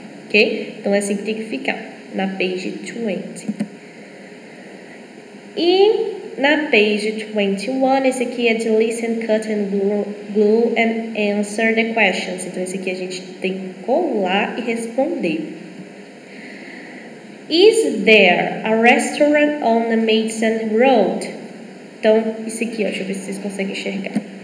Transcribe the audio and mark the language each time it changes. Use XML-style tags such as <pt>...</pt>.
<pt>Ok? Então, é assim que tem que ficar. Na page 20. E na page 21, esse aqui é de</pt> <en>listen, cut and glue and answer the questions.</en> <pt>Então, esse aqui a gente tem que colar e responder.</pt> <en>Is there a restaurant on the Mason Road?</en> <pt>Então, esse aqui, ó, deixa eu ver se vocês conseguem enxergar.</pt>